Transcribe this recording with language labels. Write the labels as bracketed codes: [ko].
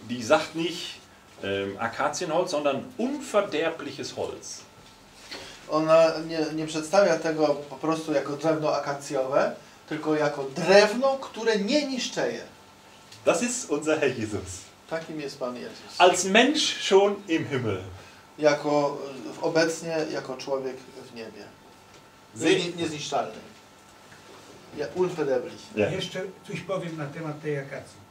[de] Die sagt nicht Akazienholz, sondern unverderbliches Holz. [pl] Ona nie przedstawia tego po prostu jako drewno akacjowe, tylko jako drewno, które nie niszczeje. [de] Das ist unser Herr Jesus. [pl] Takim jest Pan Jezus. [de] Als Mensch schon im Himmel. [pl] Jako obecnie, jako człowiek w niebie. Niezniszczalny. Unverderblich. [de] Ja. [pl] Jeszcze coś powiem na temat tej akacji.